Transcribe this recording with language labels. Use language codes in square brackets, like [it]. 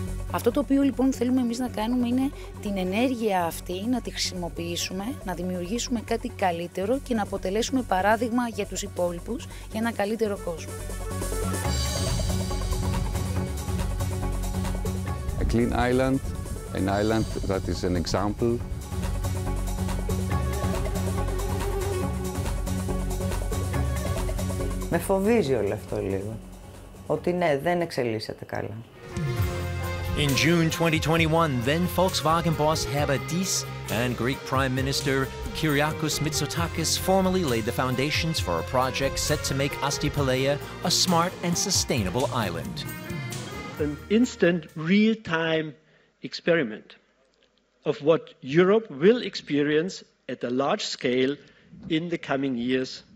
[el] Αυτό το οποίο λοιπόν θέλουμε εμείς να κάνουμε είναι την ενέργεια αυτή να τη χρησιμοποιήσουμε, να δημιουργήσουμε κάτι καλύτερο και να αποτελέσουμε παράδειγμα για τους υπόλοιπους για ένα καλύτερο κόσμο. [en] A clean island, an island that is an example. [el] Με φοβίζει όλο αυτό λίγο, ότι ναι, δεν εξελίσσεται καλά. [en] In June 2021, then-Volkswagen boss Habadis and Greek Prime Minister Kyriakos Mitsotakis formally laid the foundations for a project set to make Astypalea a smart and sustainable island. An instant, real-time experiment of what Europe will experience at a large scale in the coming years.